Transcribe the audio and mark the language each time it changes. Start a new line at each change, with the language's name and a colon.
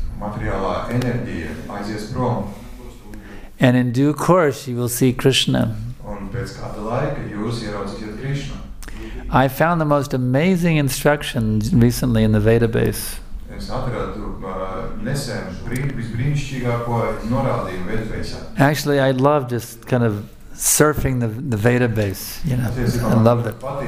Latvian: Materiālā enerģija aizies prom.
English: And in due course, you will see Krishna.
Latvian: Un pēc kāda laika jūs ieraudzīsiet Krishna.
English: I found the most amazing instruction recently in the Veda base.
Latvian: Es atradu nesen visbrīnišķīgāko norādījumu Veda base.
English: Actually, I love just kind of surfing the Veda base, you know, I love it.